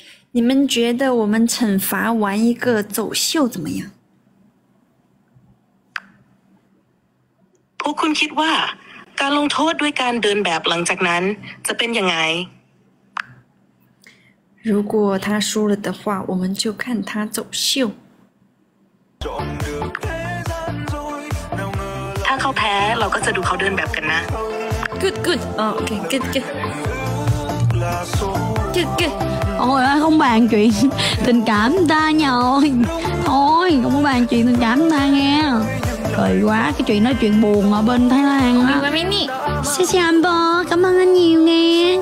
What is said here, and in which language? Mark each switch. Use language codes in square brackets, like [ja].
[zh] 你们觉得我们惩罚玩一个走秀怎么样？ [th] พวกคุณคิดว่าการลงโทษด้วยการเดินแบบหลังจากนั้นจะเป็นยังไง？ [zh] 如果他输了的话，我们就看他走秀。 [th] ถ้าเขาแพ้เราก็จะดูเขาเดินแบบกันนะ [en] Good good okay good good good good [vi] Oi, không bàn chuyện tình cảm ta nha ơi. Thôi, không có bàn chuyện tình cảm ta nghe. Trời quá, cái chuyện nói chuyện buồn ở bên Thái Lan á. Cảm ơn anh. Xin chào anh Bo, cảm ơn anh nhiều nghe.